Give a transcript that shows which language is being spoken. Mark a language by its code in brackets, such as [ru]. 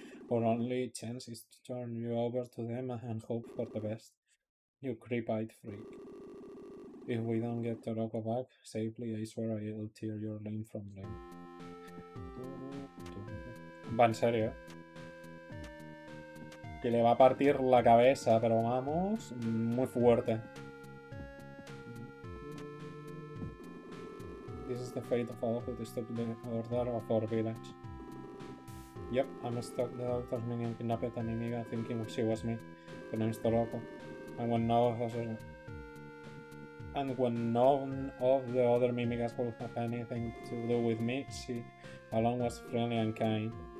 [en] Our only chance is to turn you over to them and hope for the best. You creep-eyed freak. If we don't get Toroko back safely, I swear I'll tear your limb from limb. [es] Va en serio. Que le va a partir la cabeza, pero vamos, muy fuerte. [en] This is the fate of all who disturbed the order of our village. Yep, I'm stuck. The doctor's minion kidnapped an enemy thinking she was me. The name's Toroko. And when none of us... And when none of the other mimigas would have anything to do with me, she alone was friendly and kind.